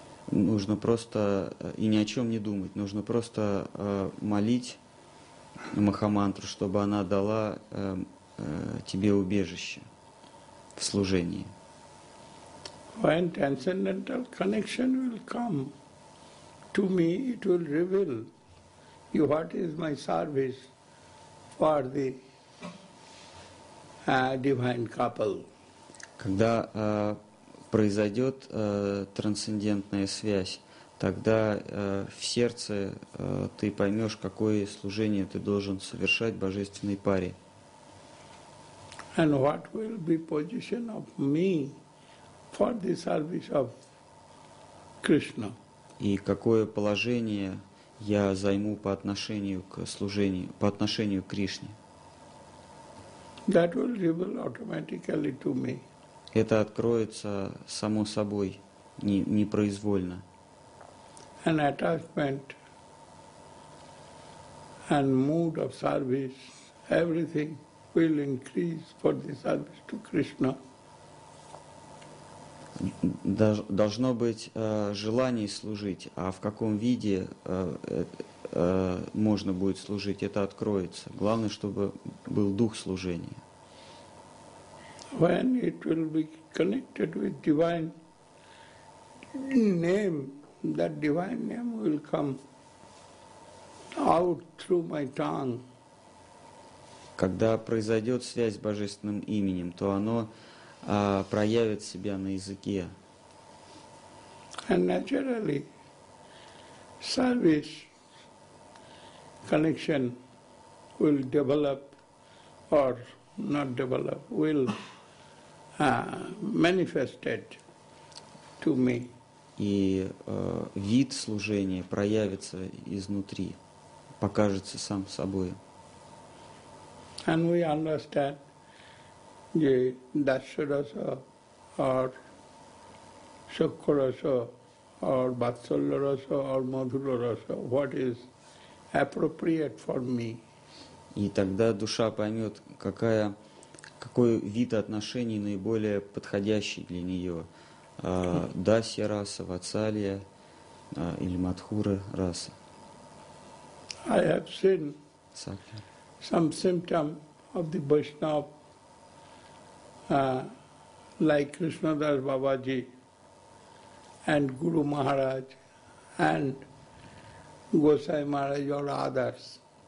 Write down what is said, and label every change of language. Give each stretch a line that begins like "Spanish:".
Russian: Нужно просто и ни о чем не думать. Нужно просто молить Махамантру, чтобы она дала тебе убежище в служении.
English: When transcendental connection will come to me, it will reveal you what is my service for the divine couple.
Russian: Когда произойдет трансцендентная связь, тогда в сердце ты поймешь, какое служение ты должен совершать божественной паре.
English: And what will be position of me for the service of Krishna?
Russian: И какое положение я займу по отношению к служению, по отношению к Кришне?
English: That will reveal automatically to me.
Russian: Это откроется само собой, непроизвольно.
English: An attachment and mood of service, everything will increase for the service to Krishna.
Russian: Должно быть желание служить, а в каком виде можно будет служить, это откроется. Главное, чтобы был дух служения.
English: When it will be connected with divine name, that divine name will come out through my tongue.
Russian: Когда произойдет связь с божественным именем, то оно проявит себя на языке.
English: And naturally, service connection will develop or not develop, will manifested to me.
Russian: И вид служения проявится изнутри, покажется сам собой.
English: And we understand the Dasarasa or Shukrasa or Vatsalarasa or Madhurarasa, what is appropriate for me.
Russian: И тогда душа поймет, какая какой вид отношений наиболее подходящий для нее? Дасья раса, вацалья или мадхура раса?
English: I have seen Sakya. Some symptom of the Vaishnava, like Krishna Das Babaji and Guru Maharaj and Gosai Maharaj or others.